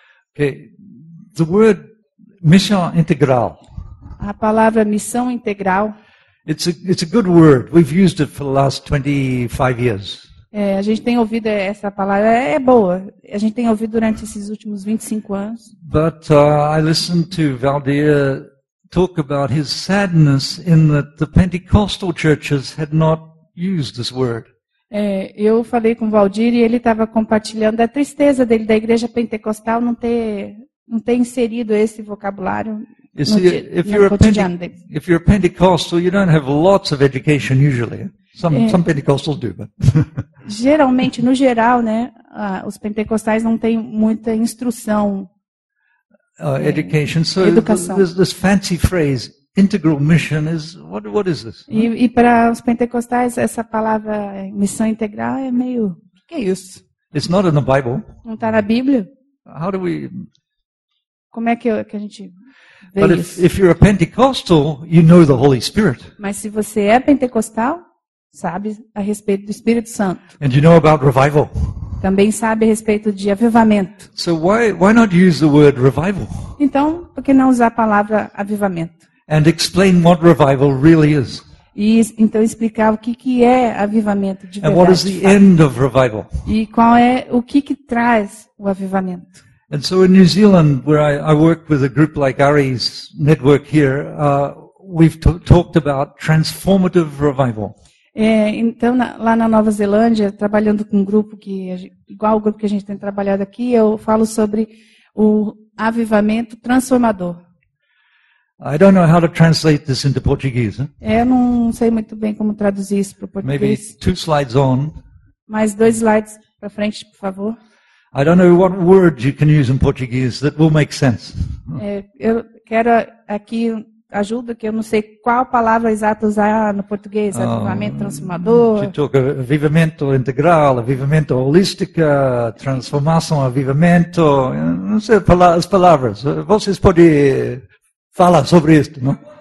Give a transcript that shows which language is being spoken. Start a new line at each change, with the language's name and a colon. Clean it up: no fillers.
English: Okay. The word mission integral.
Portuguese: A palavra missão integral.
English: It's a good word. We've used it for the last 25 years.
Portuguese: É, a gente tem ouvido essa palavra, é boa. A gente tem ouvido durante esses últimos 25 anos.
English: But I listened to Valdir talk about his sadness in that the Pentecostal churches had not used this word. É, eu falei com o Valdir e ele estava compartilhando a tristeza dele da igreja pentecostal não ter inserido esse vocabulário. If you're a Pentecostal, you don't have lots of education usually. Some Pentecostals do, but
Portuguese: geralmente, no geral, né, os pentecostais não têm muita instrução.
English: Education. So this fancy phrase, integral mission, is what is this?
Portuguese: E para os pentecostais essa palavra missão integral é meio que é isso?
English: It's not in the Bible.
Portuguese: Não está na Bíblia?
English: How do we?
Portuguese: Como é que a gente vê
English: But
Portuguese: isso?
English: If you're a Pentecostal, you know the Holy Spirit.
Portuguese: Mas se você é pentecostal, sabe a respeito do Espírito Santo.
English: And you know about revival.
Portuguese: Também sabe a respeito de avivamento.
English: So why not use the word revival?
Portuguese: Então, por que não usar a palavra avivamento?
English: And explain what revival really is.
Portuguese: E então explicar o que é avivamento de verdade.
English: And what is the end of revival?
Portuguese: E qual é o que traz o avivamento?
English: And so in New Zealand, where I work with a group like Ari's network here, we've talked about transformative revival.
Portuguese: É, então, lá na Nova Zelândia, trabalhando com um grupo que igual o grupo que a gente tem trabalhado aqui, eu falo sobre o avivamento transformador.
English: I don't know how to translate this into Portuguese.
Portuguese: Eu não sei muito bem como traduzir isso para o português.
English: Maybe two slides on.
Portuguese: Mais 2 slides para frente, por favor.
English: I don't know what word you can use in Portuguese that will make sense.
Portuguese: É, eu quero aqui ajuda, que eu não sei qual palavra exata usar no português, avivamento transformador. Você toca avivamento integral, avivamento holística, transformação, avivamento, não sei as palavras. Vocês podem falar sobre isto, não?